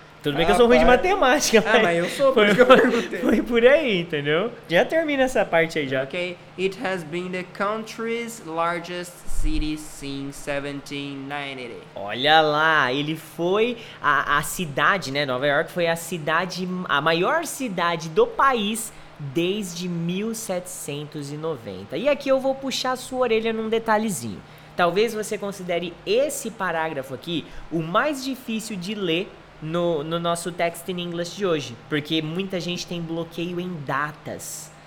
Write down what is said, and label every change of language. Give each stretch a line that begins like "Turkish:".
Portuguese: Tudo bem que eu sou ruim de matemática, mas... Ah, mas eu sou, por isso que eu perguntei. Foi por aí, entendeu? Já termina essa parte aí, já. Ok.
English: It has been the country's largest city since 1790.
Portuguese: Olha lá, ele foi a cidade, né? Nova York foi a cidade, a maior cidade do país desde 1790. E aqui eu vou puxar a sua orelha num detalhezinho. Talvez você considere esse parágrafo aqui o mais difícil de ler no nosso text in English de hoje, porque muita gente tem bloqueio em datas.